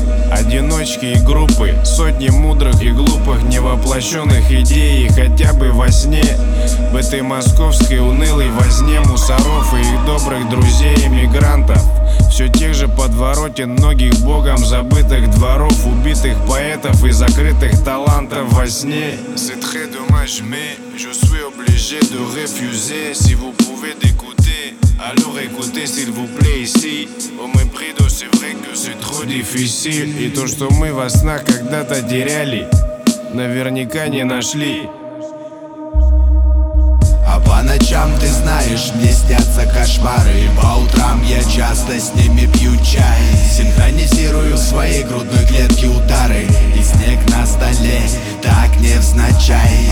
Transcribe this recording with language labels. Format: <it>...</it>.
<ru>Одиночки и группы, сотни мудрых и глупых невоплощенных идей, хотя бы во сне, в этой московской унылой возне мусоров и их добрых друзей-эмигрантов. Все тех же подворотен многих богом забытых дворов, убитых поэтов и закрытых талантов во сне.</ru> <fr>C'est très dommage, mais je suis obligé de refuser. Si vous pouvez écouter, alors écoutez s'il vous plaît ici. Au mépris de c'est vrai que c'est trop difficile.</fr> <ru>И то, что мы во снах когда-то теряли, наверняка не нашли. Ночам, ты знаешь, мне снятся кошмары. И по утрам я часто с ними пью чай. Синхронизирую в своей грудной клетке удары. И снег на столе, так невзначай.</ru>